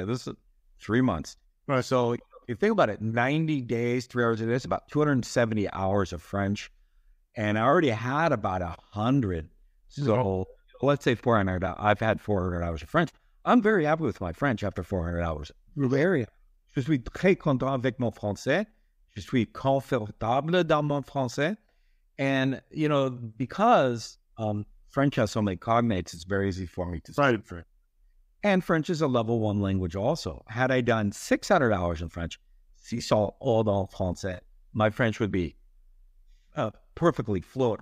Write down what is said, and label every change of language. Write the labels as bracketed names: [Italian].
[English] This is 3 months. Right. So if you think about it, 90 days, 3 hours a day, it's about 270 hours of French. And I already had about 100. So let's say 400. I've had 400 hours of French. I'm very happy with my French after 400 hours. Very happy. [French] Je suis très content avec mon français. Je suis confortable dans mon français. [English] And, you know, because French has so many cognates, it's very easy for me to speak French. And French is a level one language also. Had I done 600 hours in French, [French] si ça all dans français, [English] my French would be perfectly fluent.